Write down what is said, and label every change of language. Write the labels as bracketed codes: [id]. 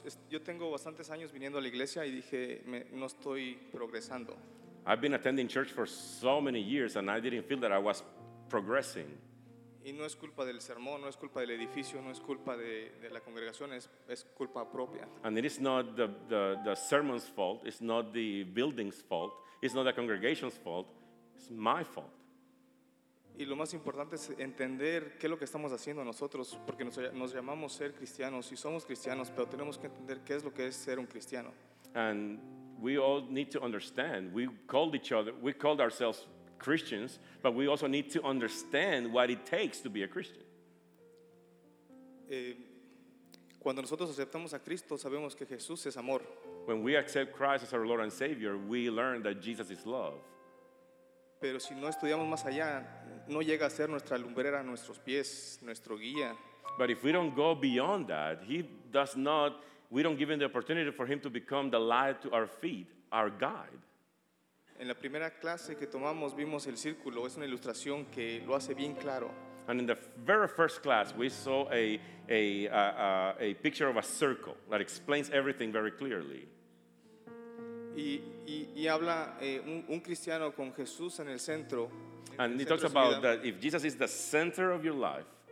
[es] Yo tengo bastantes años viniendo a la iglesia y dije, no estoy progresando. [en] I've been attending church for so many years and I didn't feel that I was progressing. [es] Y no es culpa del sermón, no es culpa del edificio, no es culpa de la congregación, es culpa propia. [en] And it is not the sermon's fault, it's not the building's fault, it's not the congregation's fault, it's my fault. [es] Y lo más importante es entender qué es lo que estamos haciendo nosotros, porque nos llamamos ser cristianos y somos cristianos, pero tenemos que entender qué es lo que es ser un cristiano. [en] And we all need to understand, we called ourselves Christians, but we also need to understand what it takes to be a Christian. [es] Cuando nosotros aceptamos a Cristo, sabemos que Jesús es amor. [en] When we accept Christ as our Lord and Savior, we learn that Jesus is love. [es] Pero si no estudiamos más allá, no llega a ser nuestra lumbrera, nuestros pies, nuestro guía. [en] But if we don't go beyond that, we don't give him the opportunity for him to become the light to our feet, our guide. [es] En la primera clase que tomamos vimos el círculo, es una ilustración que lo hace bien claro. [en] And in the very first class we saw a picture of a circle that explains everything very clearly. [es] Y habla un cristiano con Jesús en el centro. [en] And he talks about that if Jesus is the center of your life.